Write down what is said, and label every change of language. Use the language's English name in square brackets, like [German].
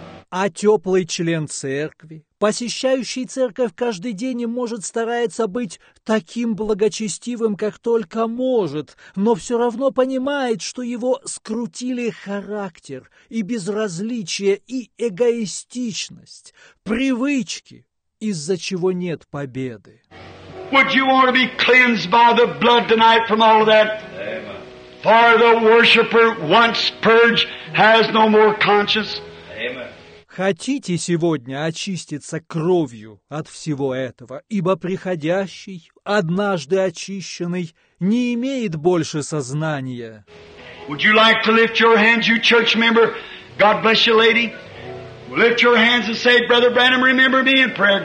[Russian] А теплый член церкви, посещающий церковь каждый день и может старается быть таким благочестивым, как только может, но все равно понимает, что его скрутили характер и безразличие и эгоистичность, привычки, из-за чего нет победы. [English] Would you want to be cleansed by the blood tonight from all of that? Amen. For the worshiper, once purged, has no more conscience. Amen. [Russian] Хотите сегодня очиститься кровью от всего этого, ибо приходящий, однажды очищенный, не имеет больше сознания? [English] Would you like to lift your hands, you church member? God bless you, lady. Lift your hands and say, Brother Branham, remember me in prayer.